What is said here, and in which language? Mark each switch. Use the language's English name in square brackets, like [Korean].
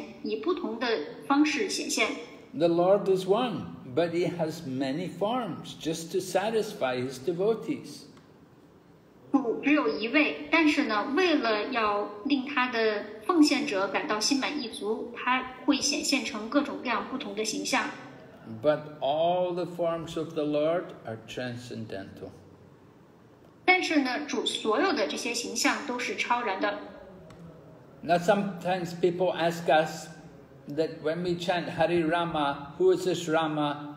[Chinese] 但是呢，主他在不同的奉献者面前以不同的方式显现。 [English] The Lord is one. But he has many forms just to satisfy his devotees. [Chinese] 主只有一位，但是呢，为了要令他的奉献者感到心满意足，他会显现成各种各样不同的形象。 [English] But all the forms of the Lord are transcendental. [Chinese] 但是呢，主所有的这些形象都是超然的。 [English] Now sometimes people ask us, that when we chant Hari Rama, who is this Rama?